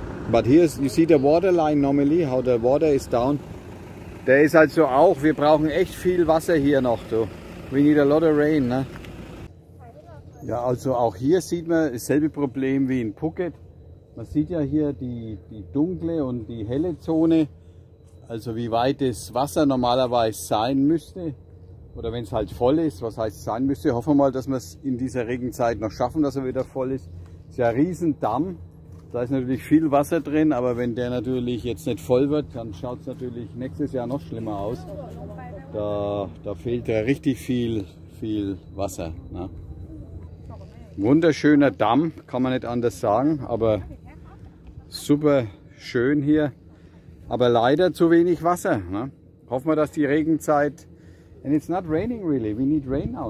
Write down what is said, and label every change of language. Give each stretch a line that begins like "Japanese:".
English: But here you see the water line normally, how the water is down.
German: Der ist also auch, wir brauchen echt viel Wasser hier noch. Du.
English: We need a lot of rain.
German: Ne? Ja, also auch hier sieht man dasselbe Problem wie in Phuket. Man sieht ja hier die dunkle und die helle Zone. Also wie weit das Wasser normalerweise sein müsste. Oder wenn es halt voll ist, was heißt sein müsste. Hoffen wir mal, dass wir es in dieser Regenzeit noch schaffen, dass er wieder voll ist. Es ist ja ein Riesendamm. Da ist natürlich viel Wasser drin, aber wenn der natürlich jetzt nicht voll wird, dann schaut es natürlich nächstes Jahr noch schlimmer aus. Da fehlt ja richtig viel Wasser. Ne? Wunderschöner Damm, kann man nicht anders sagen, aber super schön hier. Aber leider zu wenig Wasser. Ne? Hoffen wir, dass die Regenzeit...
English: And it's not raining really, we need rain now.